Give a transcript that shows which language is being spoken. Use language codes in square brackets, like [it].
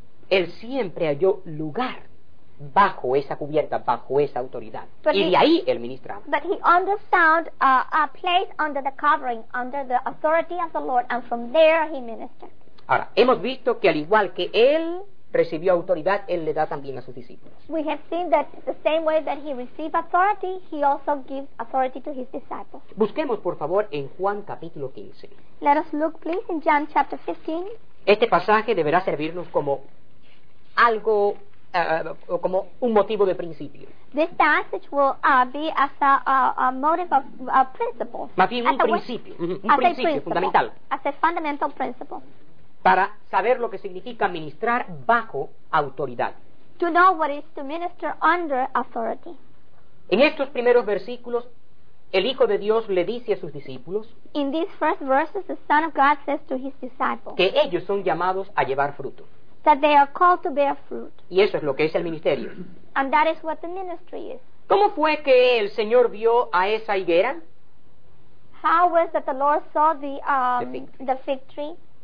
[es] Él siempre halló lugar bajo esa cubierta, bajo esa autoridad. But y de ahí él ministraba. [en] But he understood a place under the covering, under the authority of the Lord, and from there he ministered. [es] Ahora, hemos visto que al igual que él recibió autoridad, él le da también a sus discípulos. [en] We have seen that the same way that he received authority, he also gives authority to his disciples. [es] Busquemos, por favor, en Juan capítulo 15. [en] Let us look, please, in John chapter 15. [es] Este pasaje deberá servirnos como algo, como un motivo de principio. [en] This passage will be as a motive of a principle. [es] Más bien un principio, fundamental. [en] As a fundamental principle. [es] Para saber lo que significa ministrar bajo autoridad. [en] To know what it is to minister under authority. [es] En estos primeros versículos El Hijo de Dios le dice a sus discípulos [en] in these first verses, the Son of God says to his disciples, [es] que ellos son llamados a llevar fruto. [en] That they are called to bear fruit. [es] Y eso es lo que es el ministerio. [en] And that is what the ministry is. [es] ¿Cómo fue que el Señor vio a esa higuera? [en] How was that the Lord saw the fig tree?